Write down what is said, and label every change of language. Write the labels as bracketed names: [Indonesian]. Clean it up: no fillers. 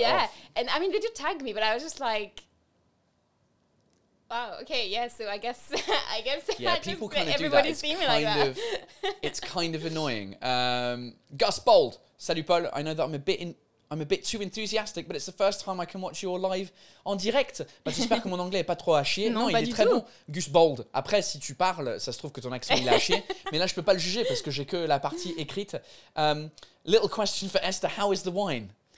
[English] Yeah, and I mean, they did tag me, but I was just like, wow, okay, yeah. So I guess. Yeah, people kind of do that. It's kind of annoying. [French] Gus Bold, salut Paul. [English] I know that I'm a bit too enthusiastic, but it's the first time I can watch your live [French] en direct. Bah, j'espère que mon anglais est pas trop à chier. Non, il est très bon. Gus Bold. Après, si tu parles, ça se trouve que ton accent il est à chier. Mais là, je peux pas le juger parce que j'ai que la partie écrite. [English] Little question for Esther: how is the wine?